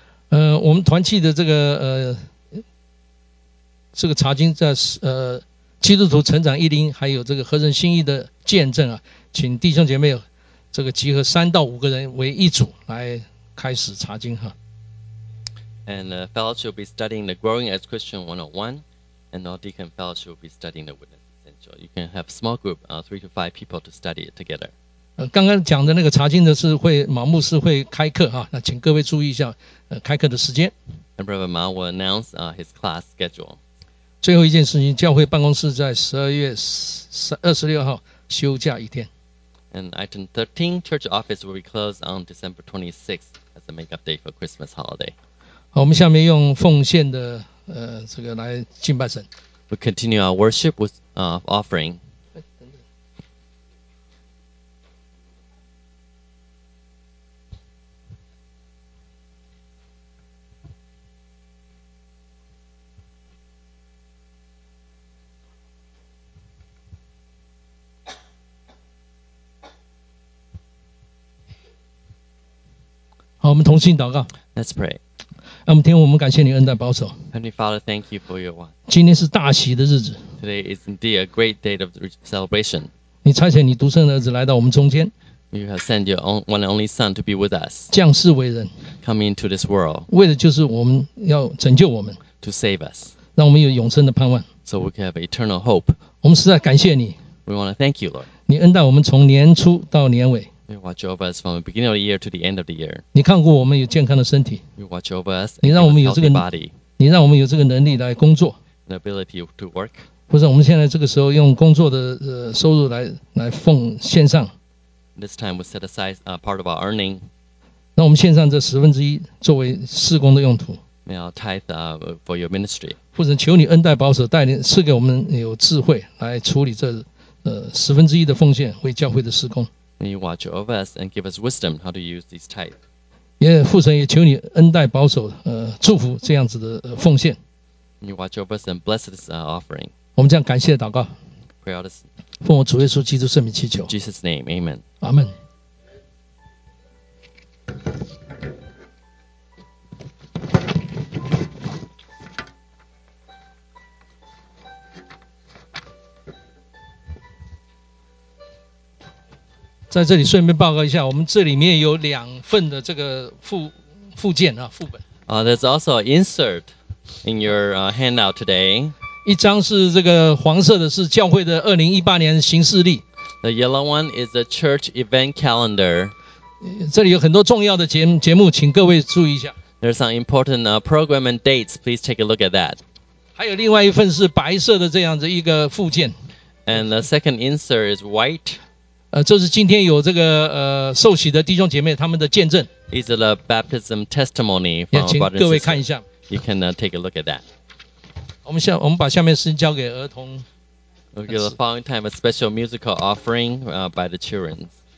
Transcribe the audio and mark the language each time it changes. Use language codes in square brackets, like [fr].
[zh] 我们团契的这个这个查经在基督徒成长一零，还有这个合神心意的见证啊，请弟兄姐妹这个集合3到5个人为一组来开始查经哈。 [en] And fellowship will be studying the Growing as Christian 101, and all deacon fellowship will be studying the Witness Essential. You can have small group, 3 to 5 people to study it together. [zh] 刚刚讲的那个查经的是会毛牧师会开课哈，那请各位注意一下，开课的时间。 [en] And Reverend Mao will announce his class schedule. [zh] 最后一件事情，教会办公室在12月26号休假一天。 [en] And item 13, church office will be closed on December 26th as a make-up day for Christmas holiday. [zh] 好，我们下面用奉献的这个来敬拜神。 [en] We continue our worship with offering. [zh] 好，我们同心祷告。 [en] Let's pray。 [zh] 那么，天父，我们感谢你恩待保守。 [en] Heavenly Father, thank you for your one。 [zh] 今天是大喜的日子。 [en] Today is indeed a great day of celebration。 [zh] 你差遣你独生的儿子来到我们中间。 [en] You have sent your own, one and only Son to be with us。 [zh] 降世为人。 [en] Come into this world。 [zh] 为的就是我们要拯救我们。 [en] To save us。 [zh] 让我们有永生的盼望。 [en] So we can have eternal hope。 [zh] 我们实在感谢你。 [en] We want to thank you, Lord。 [zh] 你恩待我们从年初到年尾。 [en] You watch over us from the beginning of the year to the end of the year. [zh] 你看过我们有健康的身体。 [en] You watch over us. [zh] 你让我们有这个 [en] body. [zh] 你让我们有这个能力来工作。 [en] An ability to work. [zh] 或者我们现在这个时候用工作的收入来奉献上。 [en] This time we set aside a part of our earning. [zh] 那我们献上这十分之一作为事工的用途。 [en] May our tithe for your ministry. [zh] 或者求你恩待保守带领赐给我们有智慧来处理这十分之一的奉献为教会的事工。 [en] May you watch over us and give us wisdom how to use these tithe. [zh] 也父神也求你恩待保守祝福这样子的奉献。 [en] May you watch over us and bless this offering. [zh] 我们这样感谢祷告。 [en] Pray all this. [zh] 奉我主耶稣基督圣名祈求。 [en] In Jesus' name, amen. Amen. [zh] 在这里顺便报告一下，我们这里面有两份的这个附件啊，副本。 [en] There's also an insert in your handout today. [zh] 一张是这个黄色的，是教会的2018年行事历。 [en] The yellow one is the church event calendar. [zh] 这里有很多重要的节目，请各位注意一下。 [en] There's some important program and dates. Please take a look at that. [zh] 还有另外一份是白色的这样子一个附件。 [en] And the second insert is white. [zh] 这是今天有这个受洗的弟兄姐妹他们的见证。 [en] Is the baptism testimony from brothers? [zh] 请各位看一下。 [en] You can take a look at that. [zh] 我们把下面事情交给儿童。 [en] We'll give the following time a special musical offering by the children.